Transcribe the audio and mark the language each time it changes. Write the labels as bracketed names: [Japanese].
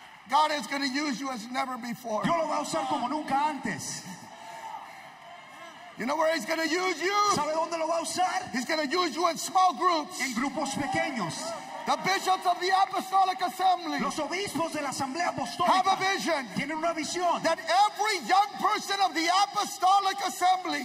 [English] God is going to use you as never before. [Spanish] Dios lo va a usar como nunca antes. [English] You know where He's going to use you? [Spanish] ¿Sabe dónde lo va a usar? [English] He's going to use you in small groups. [Spanish] En grupos pequeños. [English] The bishops of the Apostolic Assembly. [Spanish] Los obispos de la Asamblea Apostólica. [English] Have a vision. [Spanish] Tienen una visión. [English] That every young person of the Apostolic Assembly.